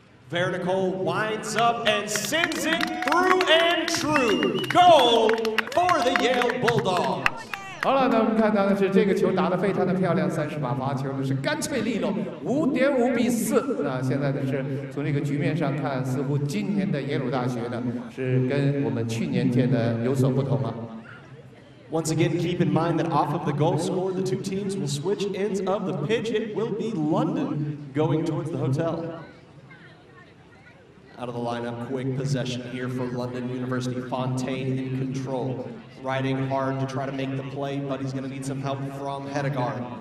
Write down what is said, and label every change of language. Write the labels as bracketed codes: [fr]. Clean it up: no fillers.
[en] Vernicol winds up and sends it through and true. Goal for the Yale Bulldogs. [zh] 好了，那我们看到的是这个球打得非常的漂亮，30码罚球呢是干脆利落，5.5比4。那现在呢是从这个局面上看，似乎今年的耶鲁大学呢是跟我们去年见的有所不同啊。 [en] Once again, keep in mind that off of the goal score, the two teams will switch ends of the pitch. It will be London going towards the hotel. Out of the lineup, quick possession here for London University. Fontayn in control, riding hard to try to make the play, but he's gonna need some help from Hedegaard.